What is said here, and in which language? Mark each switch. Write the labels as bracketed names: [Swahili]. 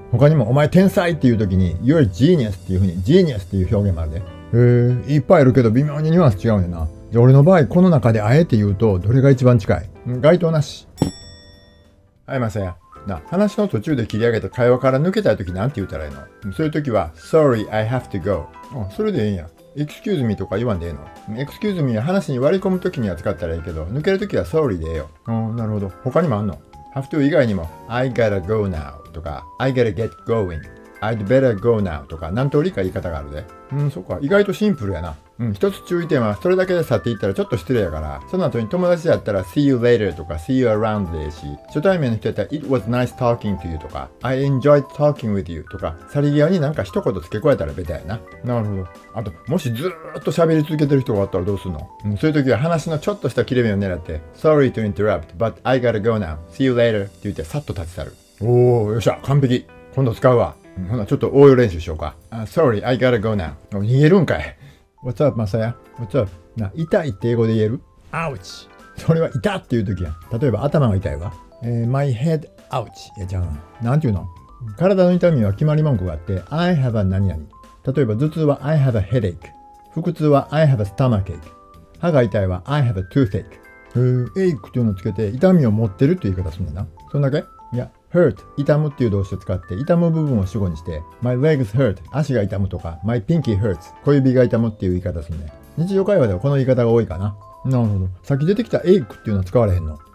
[Japanese] 他にもお前天才っていう時に [English] you're genius [Japanese] っていう風に genius っていう表現もあるで。へー、いっぱいいるけど微妙にニュアンス違うねんな。じゃあ俺の場合この中であえて言うとどれが一番近い？該当なし。はい、マサヤ。な、話の途中で切り上げた会話から抜けたい時なんて言うたらいいの？そういう時は [English] Sorry, I have to go。 [Japanese] あ、それでいいんや。 Excuse me とか言わんでいいの？Excuse me は話に割り込む時には使ったらいいけど、抜ける時は Sorry でええよ。あ、なるほど。他にもあんの？ Have to 以外にも [English] I gotta go now [Japanese] とか [English] I gotta get going、 I'd better go now [Japanese] とか何通りか言い方があるで。うん、そっか、意外とシンプルやな。うん、一つ注意点は、それだけで去っていったらちょっと失礼やから、その後に友達やったら [English] See you later [Japanese] とか [English] See you around [Japanese] でいいし、初対面の人やったら [English] It was nice talking to you [Japanese] とか [English] I enjoyed talking with you [Japanese] とか、去り際になんか一言付け加えたらベタやな。なるほど。あと、もしずっと喋り続けてる人があったらどうすんの？うん、そういう時は話のちょっとした切れ目を狙って [English] Sorry to interrupt, but I gotta go now. See you later [Japanese] って言ってさっと立ち去る。おー、よっしゃ、完璧。今度使うわ。ほな、ちょっと応用練習しようか。 [English] Sorry, I gotta go now. [Japanese] 逃げるんかい。 [English] What's up, マサヤ？ What's up? [Japanese] な、痛いって英語で言える？ [English] Ouch! [Japanese] それは痛っていう時やん。例えば頭が痛いわ。 [English] My head, ouch! [Japanese] いや、じゃあ、なんていうの？体の痛みは決まり文句があって、 [English] I have a [Japanese] 何々。例えば、頭痛は [English] I have a headache。 [Japanese] 腹痛は [English] I have a stomachache。 [Japanese] 歯が痛いは [English] I have a toothache。 [Japanese] ache っていうのをつけて、痛みを持ってるっていう言い方するんだな。そんだけ？いや、hurt、痛むっていう動詞を使って、痛む部分を主語にして、 [English] my legs hurt、 [Japanese] 足が痛むとか、 [English] my pinky hurts、 [Japanese] 小指が痛むっていう言い方するね。日常会話ではこの言い方が多いかな。なるほど。さっき出てきた ache っていうのは使われへんの？